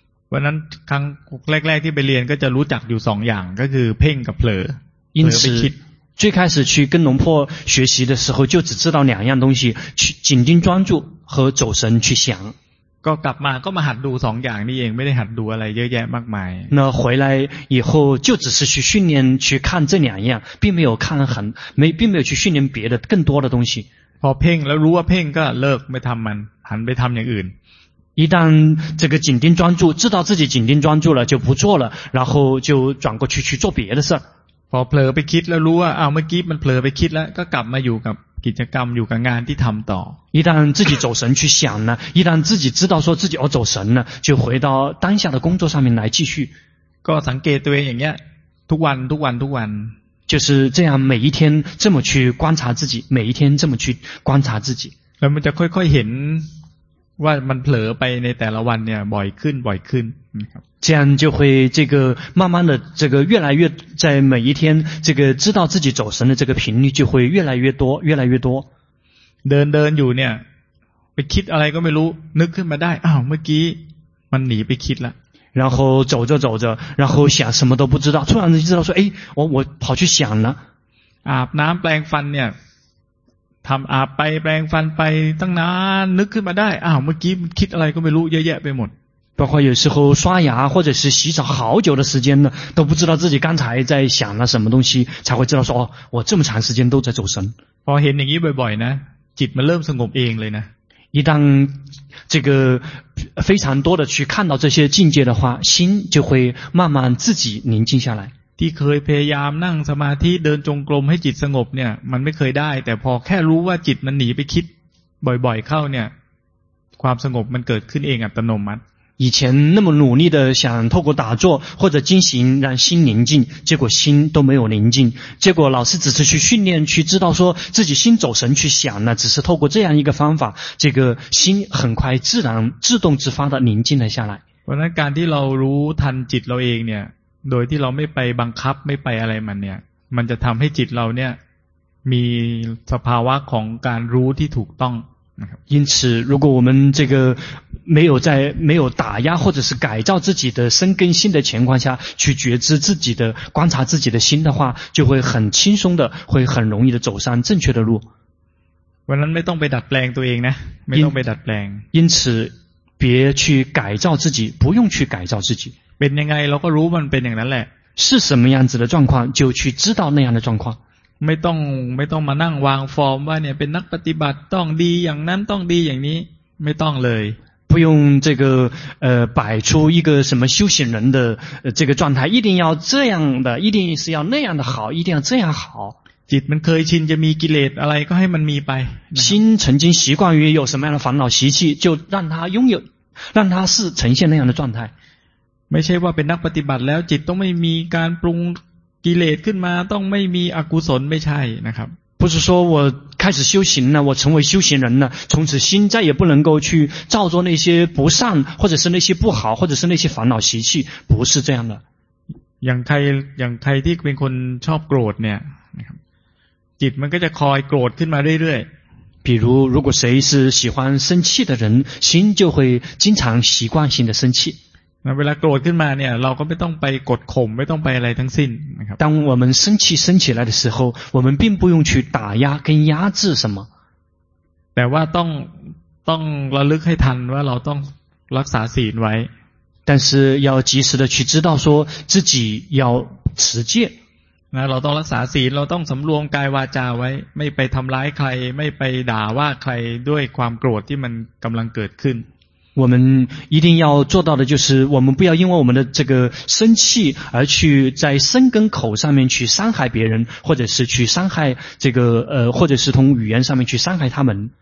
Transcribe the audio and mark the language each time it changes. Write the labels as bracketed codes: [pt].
[th] เพราะนั้นครั้งแรกๆที่ไปเรียนก็จะรู้จักอยู่สองอย่างก็คือเพ่งกับเผลอ [zh] 因此最开始去跟龙婆学习的时候就只知道两样东西去紧盯专注和走神去想 [th] ก็กลับมาก็มาหัดดูสองอย่างนี่เองไม่ได้หัดดูอะไรเยอะแยะมากมาย [zh] 那回来以后就只是去训练去看这两样并没有看很没并没有去训练别的更多的东西 [th] พอเพ่งแล้วรู้ว่าเพ่งก็เลิกไม่ทำมันหันไปทำอย่างอื่น [zh] 一旦这个紧盯专注知道自己紧盯专注了就不做了然后就转过去做别的事 [th] พอเผลอไปคิดแล้วรู้ว่าเมื่อกี้มันเผลอไปคิดแล้วก็กลับมาอยู่กับกิจกรรมอยู่กับงานที่ทำต่อ [zh] 一旦自己走神去想呢一旦自己知道说自己哦走神了就回到当下的工作上面来继续 [th] ก็สังเกตตัวเองอย่างเงี้ยทุกวันทุกวันทุกวัน [zh] 就是这样每一天这么去观察自己，每一天这么去观察自己。 [th] แล้วมันจะค่อยๆเห็นว่ามันเผลอไปในแต่ละวันเนี่ยบ่อยขึ้นบ่อยขึ้น [zh] 这样就会这个慢慢的这个越来越在每一天这个知道自己走神的这个频率就会越来越多越来越多。 [th] เดินเดินอยู่เนี่ยไปคิดอะไรก็ไม่รู้นึกขึ้นมาได้อ้าวเมื่อกี้มันหนีไปคิดละ [zh] 然后走着走着然后想什么都不知道突然就知道说诶我跑去想了 [th] อาบน้ำแปลงฟันเนี่ยทำอาบไปแปลงฟันไปตั้งนานนึกขึ้นมาได้อ้าวเมื่อกี้มันคิดอะไรก็ไม่รู้เยอะแยะไปหมด [zh] 包括有时候刷牙或者是洗澡好久的时间呢都不知道自己刚才在想了什么东西才会知道说哦我这么长时间都在走神 [th] พอเห็นอย่างนี้บ่อยๆนะจิตมันเริ่มสงบเองเลยนะ [zh] 一旦这个非常多的去看到这些境界的话心就会慢慢自己宁静下来 [th] ที่เคยพยายามนั่งสมาธิเดินจงกรมให้จิตสงบเนี่ยมันไม่เคยได้แต่พอแค่รู้ว่าจิตมันหนีไปคิดบ่อยๆเข้าเนี่ยความสงบมันเกิดขึ้นเองอัตโนมัติ [zh] 以前那么努力的想透过打坐或者静行让心宁静结果心都没有宁静结果老师只是去训练去知道说自己心走神去想了只是透过这样一个方法这个心很快自然自动自发的宁静了下来 [th] เพราะนั้นการที่เรารู้ทันจิตเราเองเนี่ยโดยที่เราไม่ไปบังคับไม่ไปอะไรมันเนี่ยมันจะทำให้จิตเราเนี่ยมีสภาวะของการรู้ที่ถูกต้อง [zh] 因此如果我们这个没有打压或者是改造自己的身根心的情况下去觉知自己的观察自己的心的话就会很轻松的会很容易的走上正确的路 [th] วันนั้นไม่ต้องไปดัดแปลงตัวเองนะไม่ต้องไปดัดแปลง [zh] 因此别去改造自己不用去改造自己 [th] เป็นยังไงเราก็รู้มันเป็นอย่างนั้นแหละ [zh] 是什么样子的状况就去知道那样的状况 [th] ไม่ต้องมานั่งวางฟอร์มว่าเนี่ยเป็นนักปฏิบัติต้องดีอย่างนั้นต้องดีอย่างนี้ไม่ต้องเลย [zh] 不用这个摆出一个什么修行人的这个状态一定要这样的一定是要那样的好一定要这样好 [th] จิตมันเคยชินจะมีกิเลสอะไรก็ให้มันมีไป [zh] 心曾经习惯于有什么样的烦恼习气就让它拥有让它是呈现那样的状态 [th] ไม่ใช่ว่าเป็นนักปฏิบัติแล้วจิตต้องไม่มีการปรุงกิเลสขึ้นมาต้องไม่มีอกุศลไม่ใช่นะครับ [zh] 不是说我开始修行了我成为修行人了从此心再也不能够去造作那些不善或者是那些不好或者是那些烦恼习气不是这样的 [th] อย่างใครที่เป็นคนชอบโกรธเนี่ยจิตมันก็จะคอยโกรธขึ้นมาเรื่อย [zh] ๆ比如如果谁是喜欢生气的人心就会经常习惯性的生气 [th] เวลาโกรธขึ้นมาเนี่ยเราก็ไม่ต้องไปกดข่มไม่ต้องไปอะไรทั้งสิ้นนะครับ [zh] 当我们生起来的时候我们并不用去打压跟压制什么 [th] แต่ว่าต้องระลึกให้ทันว่าเราต้องรักษาศีลไว้ [zh] 但是要及时的去知道说自己要持戒 [th] นะเราต้องรักษาศีลเราต้องสำรวมกายวาจาไว้ไม่ไปทำร้ายใครไม่ไปด่าว่าใครด้วยความโกรธที่มันกำลังเกิดขึ้น [zh] 我们一定要做到的就是我们不要因为我们的这个生气而去在身根口上面去伤害别人或者是去伤害这个或者是从语言上面去伤害他们